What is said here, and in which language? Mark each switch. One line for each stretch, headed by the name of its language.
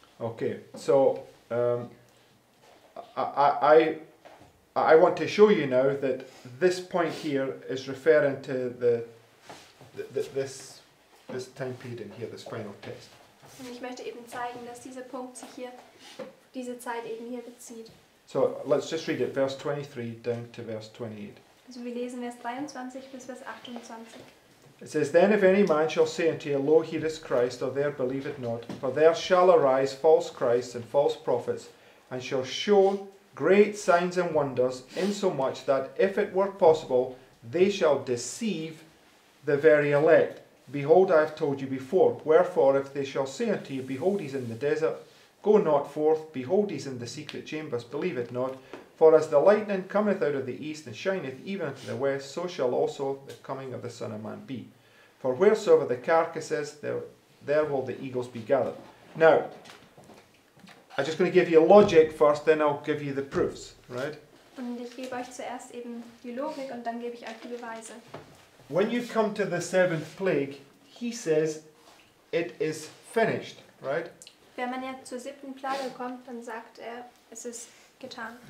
English: Okay, so I want to show you now that this point here is referring to this time period here, this final test.
German: Und ich möchte eben zeigen, dass dieser Punkt sich hier, diese Zeit eben hier bezieht.
English: So, let's just read it, verse 23 down to verse 28.
German: Also wir lesen Vers 23 bis Vers 28.
English: It says, then if any man shall say unto you, lo, here is Christ, or there believe it not, for there shall arise false Christs and false prophets, and shall show great signs and wonders, insomuch that if it were possible, they shall deceive the very elect. Behold, I have told you before. Wherefore, if they shall say unto you, behold, he's in the desert, go not forth. Behold, he's in the secret chambers, believe it not. For as the lightning cometh out of the east and shineth even unto the west, so shall also the coming of the Son of Man be. For wheresoever the carcass is, there will the eagles be gathered. Now, I'm just going to give you logic first, then I'll give you the proofs, right?
German: Und ich gebe euch zuerst eben die Logik und dann gebe ich euch die Beweise.
English: When you come to the seventh plague, he says it is finished, right?
German: Wenn man jetzt zur siebten Plage kommt, dann sagt er, es ist getan.